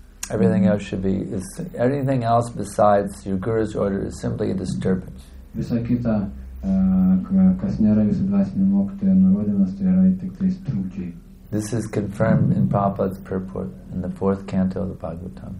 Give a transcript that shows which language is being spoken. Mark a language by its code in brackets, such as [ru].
[en] Everything else should be, is anything else besides your guru's order is simply a disturbance. [lt] Visa kita, kas nėra jūsų dvasinio mokytojo nurodymas, tai yra tik tais trukdžiai. [en] This is confirmed in Prabhupada's purport in the 4th canto of the Bhagavatam.